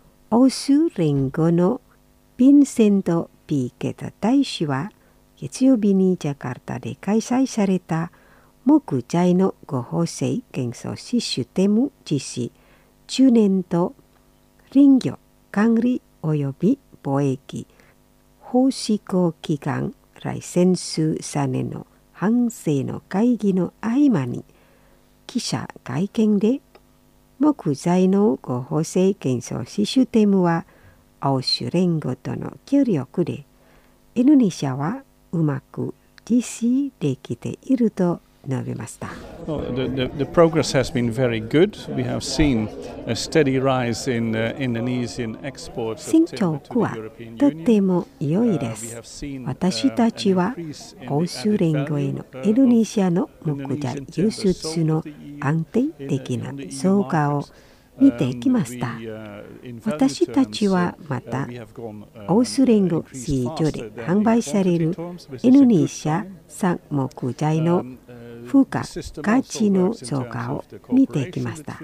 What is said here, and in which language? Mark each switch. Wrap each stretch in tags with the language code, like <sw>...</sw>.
<ja>欧州連合のヴィンセント・ピーケタ大使は、月曜日にジャカルタで開催された木材の合法性検査実施テーマ実施10年と林業管理及び貿易法施行期間ライセンス3年の反省の会議の合間に記者会見で木材の合法性検査実施テーマは欧州連合との協力でインドネシアはうまく実施できていると述べました。</ja> <en>The progress has been very good. We have seen a steady rise in Indonesian exports.</en> <ja>進捗はとても良いです。私たちは欧州連合へのインドネシアの木材輸出の安定的な増加を見ていきました。私たちはまた、オースリング市場で販売されるインドネシア産木材の付加価値の増加を見ていきました。</ja>